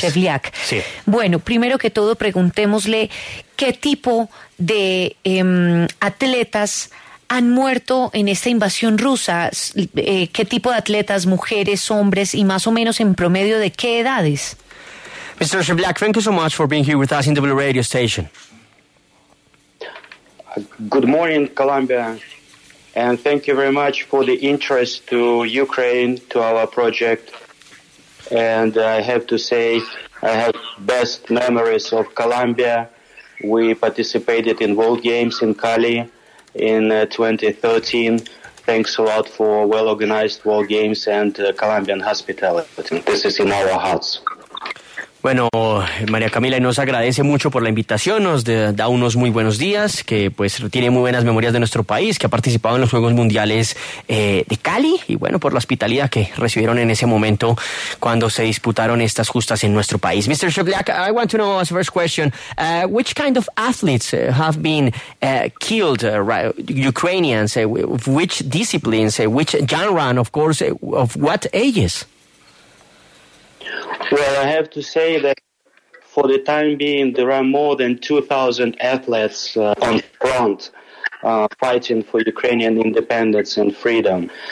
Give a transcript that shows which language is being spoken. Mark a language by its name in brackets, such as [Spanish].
[Spanish] Shevliak. Sí. Bueno, primero que todo, preguntémosle qué tipo de atletas han muerto en esta invasión rusa, qué tipo de atletas, mujeres, hombres, y más o menos en promedio de qué edades. [English] Mr. Shevliak, thank you so much for being here with us in W Radio Station. Good morning, Colombia, and thank you very much for the interest to Ukraine, to our project. And I have to say, I have best memories of Colombia. We participated in World Games in Cali in 2013. Thanks a lot for well-organized World Games and Colombian hospitality. This is in our hearts. [Spanish] Bueno, María Camila nos agradece mucho por la invitación, nos da unos muy buenos días, que pues tiene muy buenas memorias de nuestro país, que ha participado en los Juegos Mundiales de Cali, y bueno, por la hospitalidad que recibieron en ese momento cuando se disputaron estas justas en nuestro país. [English] Mr. Shevliak, I want to know as first question, which kind of athletes have been killed, Ukrainians, which disciplines, which genre, and of course, of what ages? Well, I have to say that for the time being, there are more than 2,000 athletes on the front fighting for Ukrainian independence and freedom.